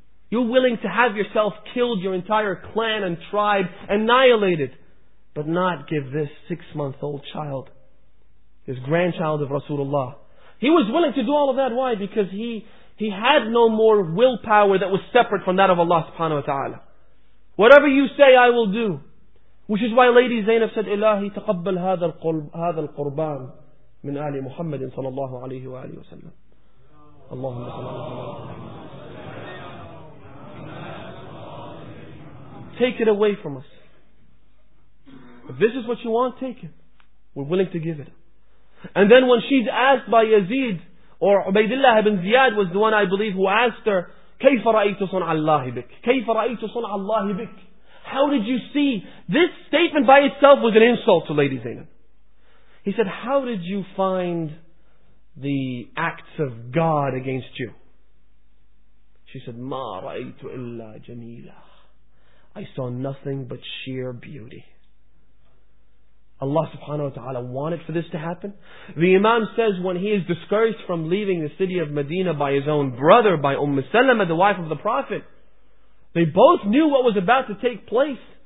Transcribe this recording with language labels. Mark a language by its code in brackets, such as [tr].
[en] You're willing to have yourself killed, your entire clan and tribe annihilated, but not give this 6-month-old child, this grandchild of Rasulullah. He was willing to do all of that. Why? Because he had no more willpower that was separate from that of Allah subhanahu wa ta'ala. Whatever you say, I will do. Which is why Lady Zainab said, [ar] إِلَهِ تَقَبَّلْ هَذَا الْقُرْبَانِ مِنْ آلِ مُحَمَّدٍ صَلَى اللَّهُ عَلَيْهِ وَآلِهِ وَسَلَّمَ. اللهم صلى الله عليه وسلم. [en] Take it away from us. If this is what you want, take it. We're willing to give it. And then when she's asked by Yazid, or Ubaydillah ibn Ziyad was the one I believe who asked her, [ar] كَيْفَ رَأَيْتُ صُنْعَ اللَّهِ بِكْ [en] كَيْفَ رَأَيْتُ صُنْعَ اللَّهِ بِكْ. How did you see? This statement by itself was an insult to Lady Zainab. He said, how did you find the acts of God against you? She said, [ar] مَا رَأَيْتُ إِلَّا جَمِيلًا. [en] I saw nothing but sheer beauty. Allah subhanahu wa ta'ala wanted for this to happen. The Imam says when he is discouraged from leaving the city of Medina by his own brother, by Umm Salama, the wife of the Prophet, they both knew what was about to take place.